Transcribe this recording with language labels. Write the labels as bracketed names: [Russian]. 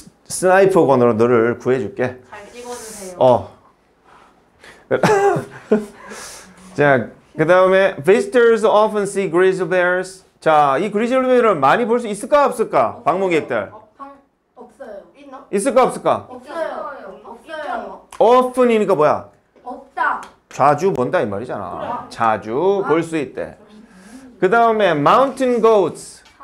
[Korean] 스나이퍼건으로 너를 구해줄게. 잘 찍어주세요. 자, 그 다음에 [English] visitors often see grizzly bears. [Korean] 자, 이 grizzly bear를 많이 볼 수 있을까 없을까? 없어요. 방문객들. 없어요. 있을까 없을까? 없어요. often이니까 뭐야? 없다. 자주 본다 이 말이잖아. 그래. 자주 아. 볼 수 있대. 그 다음에 mountain goats.